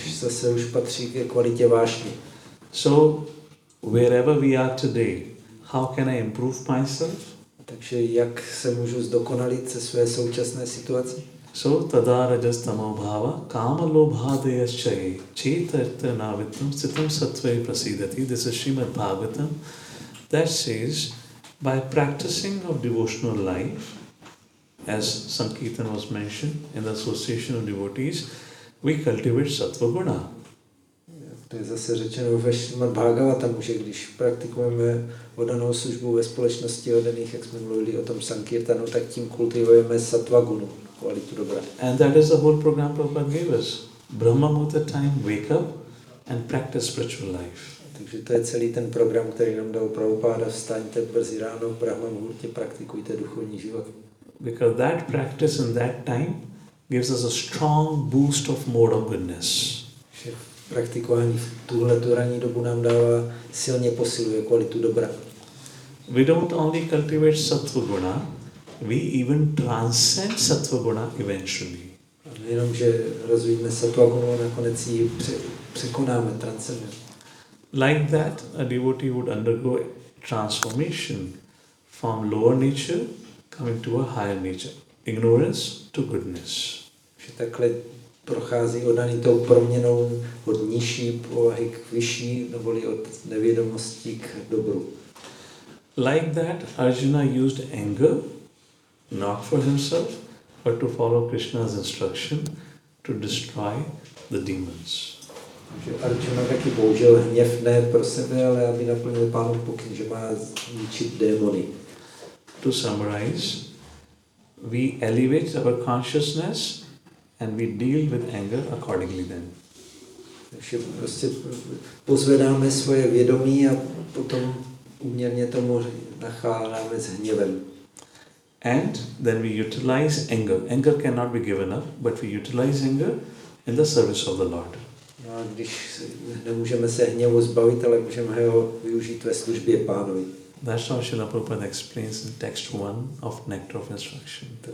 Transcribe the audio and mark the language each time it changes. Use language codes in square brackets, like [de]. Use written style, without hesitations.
[en] So, wherever we are today, how can I improve myself? [cs] Takže jak se můžu zdokonalit se své současné situaci? [sa] So tada rajas tamo bhava kama lobhadeya chai chetartha navitam sitam sattve prasidati. [en] This is Srimad Bhagavatam that says by practicing of devotional life, as Sankirtan was mentioned in the association of devotees, we cultivate sattva guna. [cs] To je zase řečeno ve Srimad Bhagavatam, že když praktikujeme oddanou službu ve společnosti oddaných, jak jsme mluvili o tom sankirtanu, tak tím kultivujeme sattva gunu, kvalitu dobra. [en] And that is the whole program Prabhupada gave us. Brahma Muta time, wake up and practice spiritual life. [cs] Takže to je celý ten program, který nám dal Prabhupada. Vstaňte brzy ráno, Brahma Muta, praktikujte duchovní život. [en] Because that practice in that time gives us a strong boost of mode of goodness. [cs] Praktikování v tuhletu ranní dobu nám dává, silně posiluje kvalitu dobra. [en] We don't only cultivate sattva guna, we even transcend sattva guna eventually. [cs] Nejenom, že rozvíjíme sattva gunu a nakonec ji překonáme, transcendujeme. [en] Like that, a devotee would undergo transformation from lower nature coming to a higher nature, ignorance to goodness. [cs] Že takhle prochází oddaný tou proměnou od nižší povahy k vyšší, neboli od nevědomosti k dobru. [en] Like that, Arjuna used anger, not for himself, but to follow Krishna's instruction to destroy the demons. [cs] Takže Arjuna taky použil hněv ne pro sebe, ale aby naplnil pánu pokyn, že má ničit démony. [en] To summarize, we elevate our consciousness and we deal with anger accordingly then. [cs] Takže prostě pozvedáme svoje vědomí a potom uměrně tomu nacháváme s hněvem. [en] And then we utilize anger. Anger cannot be given up, but we utilize anger in the service of the Lord. [cs] No a když nemůžeme se hněvu zbavit, ale můžeme ho využít ve službě pánovi. [en] That's how Srila Prabhupada explains in text 1 of Nectar of Instruction.